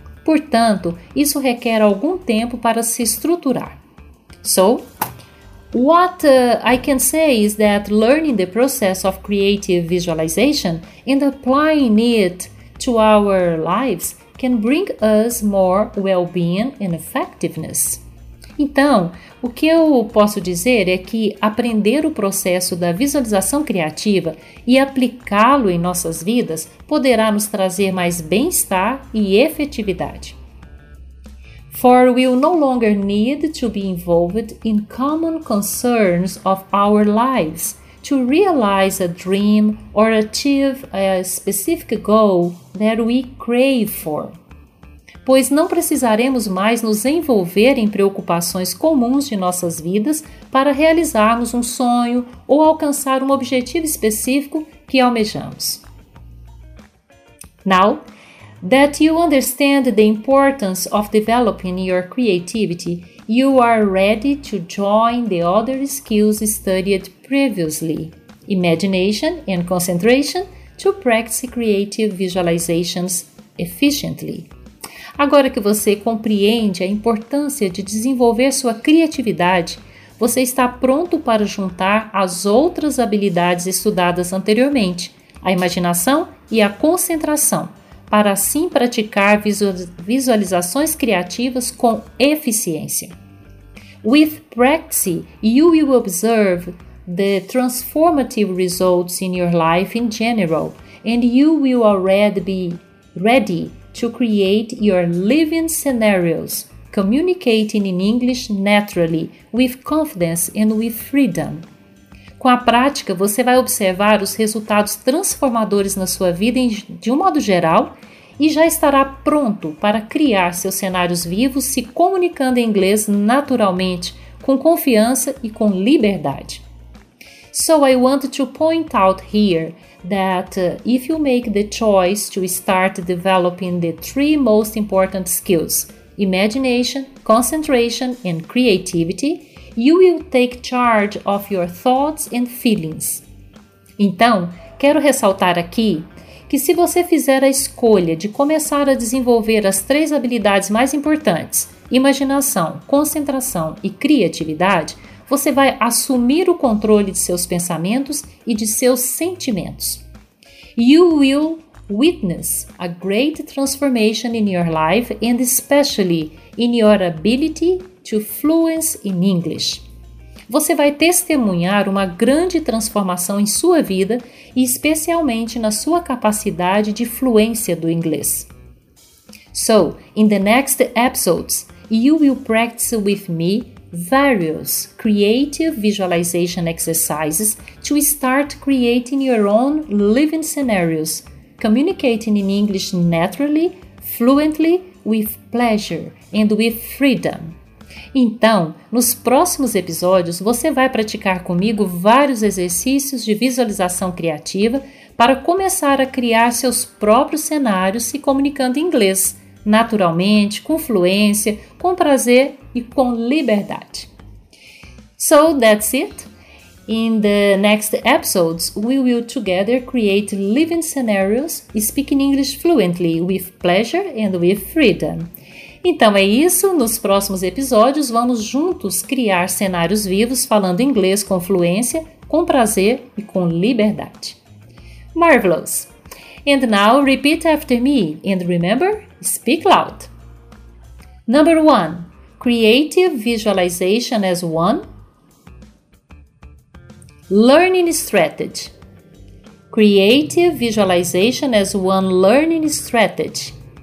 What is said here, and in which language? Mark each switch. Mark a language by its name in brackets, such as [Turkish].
[Portuguese] Portanto, isso requer algum tempo para se estruturar. [English] So, what I can say is that learning the process of creative visualization and applying it to our lives can bring us more well-being and effectiveness. [Portuguese] Então, o que eu posso dizer é que aprender o processo da visualização criativa e aplicá-lo em nossas vidas poderá nos trazer mais bem-estar e efetividade. [English] For we will no longer need to be involved in common concerns of our lives to realize a dream or achieve a specific goal that we crave for. [Portuguese] Pois não precisaremos mais nos envolver em preocupações comuns de nossas vidas para realizarmos um sonho ou alcançar um objetivo específico que almejamos. [English] Now that you understand the importance of developing your creativity, you are ready to join the other skills studied previously, imagination and concentration, to practice creative visualizations efficiently. [Portuguese] Agora que você compreende a importância de desenvolver sua criatividade, você está pronto para juntar as outras habilidades estudadas anteriormente, a imaginação e a concentração, para assim praticar visualizações criativas com eficiência. [English] With practice, you will observe the transformative results in your life in general, and you will already be ready to create your living scenarios, communicating in English naturally, with confidence and with freedom. [Portuguese] Com a prática, você vai observar os resultados transformadores na sua vida de um modo geral e já estará pronto para criar seus cenários vivos se comunicando em inglês naturalmente, com confiança e com liberdade. [English] So I want to point out here that if you make the choice to start developing the three most important skills, imagination, concentration and creativity, you will take charge of your thoughts and feelings. [Portuguese] Então, quero ressaltar aqui que se você fizer a escolha de começar a desenvolver as três habilidades mais importantes, imaginação, concentração e criatividade, você vai assumir o controle de seus pensamentos e de seus sentimentos. [English] You will witness a great transformation in your life and especially in your ability to fluence in English. [Portuguese] Você vai testemunhar uma grande transformação em sua vida e especialmente na sua capacidade de fluência do inglês. [English] So, in the next episodes, you will practice with me various creative visualization exercises to start creating your own living scenarios, communicating in English naturally, fluently, with pleasure and with freedom. [Portuguese] Então, nos próximos episódios, você vai praticar comigo vários exercícios de visualização criativa para começar a criar seus próprios cenários se comunicando em inglês, naturalmente, com fluência, com prazer e com liberdade. [English] So, that's it. In the next episodes, we will together create living scenarios, speaking English fluently, with pleasure and with freedom. [Portuguese] Então é isso, nos próximos episódios vamos juntos criar cenários vivos falando inglês com fluência, com prazer e com liberdade. [English] Marvelous! And now repeat after me and remember, speak loud. Number 1. Creative visualization as one. Learning strategy. Creative visualization as one learning strategy.